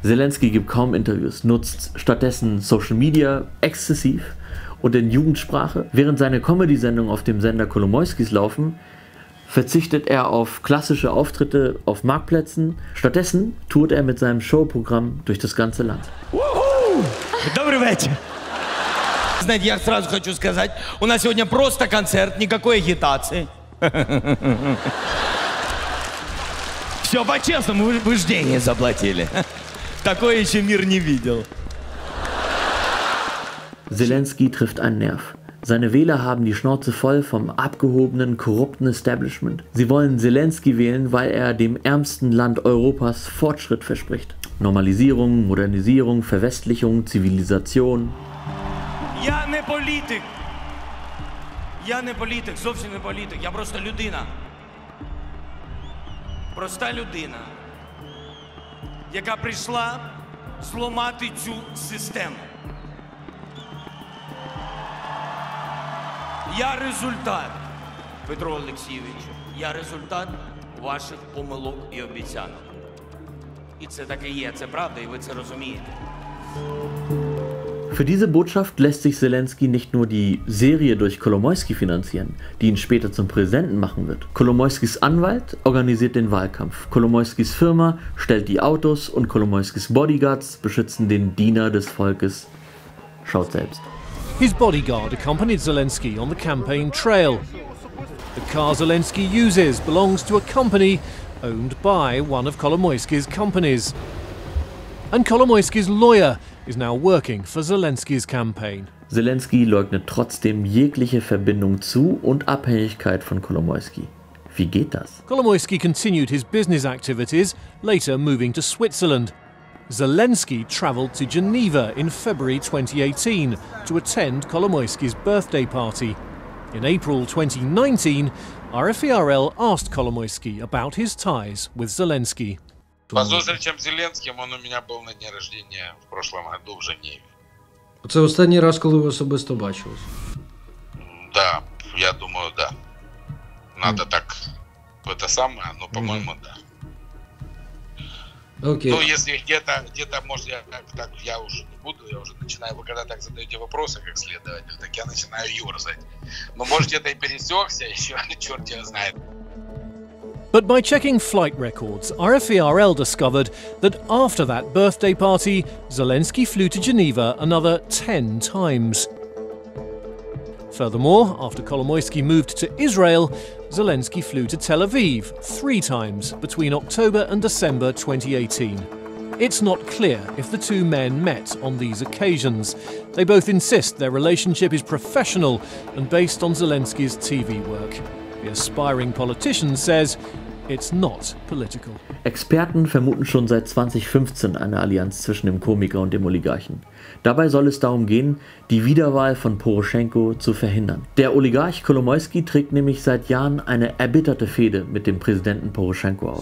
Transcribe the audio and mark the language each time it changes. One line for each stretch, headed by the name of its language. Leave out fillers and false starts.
German: Zelensky gibt kaum Interviews, nutzt stattdessen Social Media exzessiv und in Jugendsprache. Während seine Comedy-Sendungen auf dem Sender Kolomoyskis laufen, verzichtet er auf klassische Auftritte auf Marktplätzen. Stattdessen tourt er mit seinem Showprogramm durch das ganze Land.
Russian: Добрый вечер. Знаете, я сразу хочу сказать, у нас сегодня просто концерт, никакой агитации. Все по-честному, вы ждение заплатили. Такое еще мир не видел.
German: Зеленский trifft einen Nerv. Seine Wähler haben die Schnauze voll vom abgehobenen, korrupten Establishment. Sie wollen Zelensky wählen, weil er dem ärmsten Land Europas Fortschritt verspricht. Normalisierung, Modernisierung, Verwestlichung, Zivilisation.
Ukrainian: Я не політик. Я не політик, зовсім не політик. Я просто людина. Проста людина, яка прийшла зламати цю систему. Я результат, Петро Олексійович, я результат ваших помилок і обіцянок. І це так і є, це правда, і ви це розумієте.
German: Für diese Botschaft lässt sich Zelensky nicht nur die Serie durch Kolomoyski finanzieren, die ihn später zum Präsidenten machen wird. Kolomoyskis Anwalt organisiert den Wahlkampf. Kolomoyskis Firma stellt die Autos und Kolomoyskis Bodyguards beschützen den Diener des Volkes. Schaut selbst.
English: His bodyguard accompanied Zelensky on the campaign trail. The car Zelensky uses belongs to a company owned by one of Kolomoyskis companies. And Kolomoyskis lawyer is now working for Zelensky's campaign.
German: Zelensky leugnet trotzdem jegliche Verbindung zu und Abhängigkeit von Kolomoyski. Wie geht das?
English: Kolomoyski continued his business activities, later moving to Switzerland. Zelensky traveled to Geneva in February 2018 to attend Kolomoyski's birthday party. In April 2019, RFERL asked Kolomoyski about his ties with Zelensky.
Ukrainian: По зустрічам з Зеленським, він у мене був на дні
Russian: рождения в прошлому году в Женеве.
Ukrainian: Це останній раз, коли ви особисто бачились?
Russian: Да, я думаю, да. Надо так, это самое, ну, по-моему, да.
English: Okay.
Russian: Ну, если где-то, может, я так, я уже не буду, я уже начинаю, вы когда так задаете вопросы, как следователь, так я начинаю ерзать. Но, может, где-то и пересекся еще, черт его знает.
English: But by checking flight records, RFERL discovered that after that birthday party, Zelensky flew to Geneva another 10 times. Furthermore, after Kolomoyski moved to Israel, Zelensky flew to Tel Aviv 3 times between October and December 2018. It's not clear if the two men met on these occasions. They both insist their relationship is professional and based on Zelensky's TV work. The aspiring politician says it's not political.
German: Experten vermuten schon seit 2015 eine Allianz zwischen dem Komiker und dem Oligarchen. Dabei soll es darum gehen, die Wiederwahl von Poroschenko zu verhindern. Der Oligarch Kolomoyski trägt nämlich seit Jahren eine erbitterte Fehde mit dem Präsidenten Poroschenko aus.